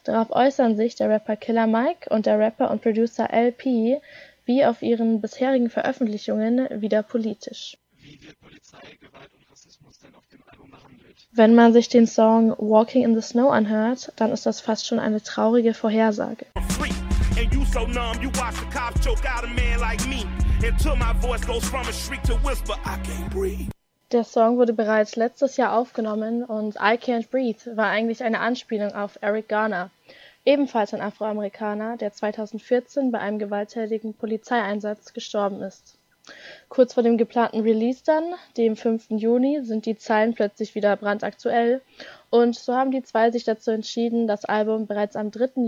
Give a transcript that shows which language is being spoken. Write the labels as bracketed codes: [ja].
[de] Darauf äußern sich der Rapper Killer Mike und der Rapper und Producer LP wie auf ihren bisherigen Veröffentlichungen wieder politisch. Wie wird Polizeigewalt und Rassismus denn auf dem Album behandelt? Wenn man sich den Song Walking in the Snow anhört, dann ist das fast schon eine traurige Vorhersage. [en] And you so numb, you watch the cops choke out a man like me. Until my voice goes from a shriek to whisper, I can't breathe. [de] Der Song wurde bereits letztes Jahr aufgenommen und I Can't Breathe war eigentlich eine Anspielung auf Eric Garner, ebenfalls ein Afroamerikaner, der 2014 bei einem gewalttätigen Polizeieinsatz gestorben ist. Kurz vor dem geplanten Release dann, dem 5. Juni, sind die Zeilen plötzlich wieder brandaktuell und so haben die zwei sich dazu entschieden, das Album bereits am 3.